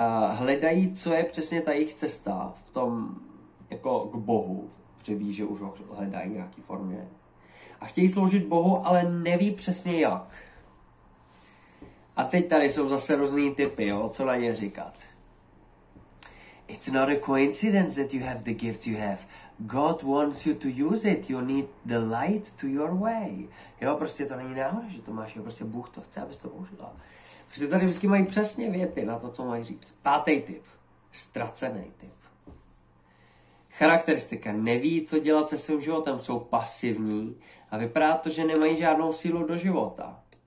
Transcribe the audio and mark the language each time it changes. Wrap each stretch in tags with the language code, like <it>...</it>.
<cs>Hledají, co je přesně ta jejich cesta v tom, jako k Bohu, protože ví, že už ho hledají v nějaký formě. A chtějí sloužit Bohu, ale neví přesně jak. A teď tady jsou zase různý typy, jo, co na ně říkat.</cs> <en>It's not a coincidence that you have the gift you have. God wants you to use it. You need the light to your way.</en> <cs>Jo, prostě to není náhoda, že to máš. Jo, prostě Bůh to chce, abys to použila. Prostě tady vždycky mají přesně věty na to, co mají říct. Pátý typ. Ztracený typ. Charakteristika. Neví, co dělat se svým životem. Jsou pasivní a vypadá to, že nemají žádnou sílu do života.</cs>